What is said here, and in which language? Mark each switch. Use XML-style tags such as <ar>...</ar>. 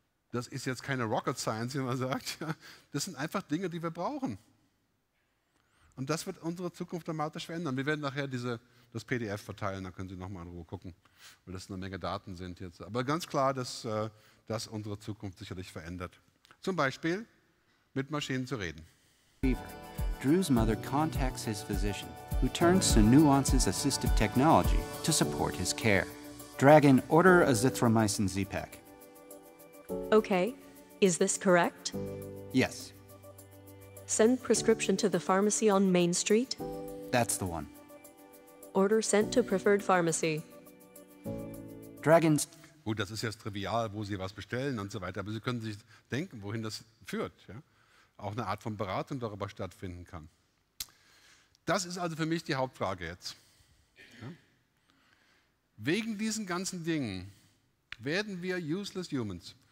<de>Das ist jetzt keine Rocket Science, wie man sagt. Das sind einfach Dinge, die wir brauchen. Und das wird unsere Zukunft dramatisch verändern. Wir werden nachher das PDF verteilen, da können Sie nochmal in Ruhe gucken, weil das eine Menge Daten sind jetzt. Aber ganz klar, dass das unsere Zukunft sicherlich verändert. Zum Beispiel mit Maschinen zu reden.</de> <en>Drew's mother contacts his physician, who turns to Nuance's assistive technology to support his care. Dragon, order azithromycin Z-Pak. Okay, is this correct? Yes. Send prescription to the pharmacy on Main Street? That's the one. Order sent to preferred pharmacy. Dragons.</en> <de>Gut, das ist jetzt trivial, wo Sie was bestellen und so weiter, aber Sie können sich denken, wohin das führt. Ja? Auch eine Art von Beratung darüber stattfinden kann. Das ist also für mich die Hauptfrage jetzt. Ja? Wegen diesen ganzen Dingen werden wir useless humans.</de>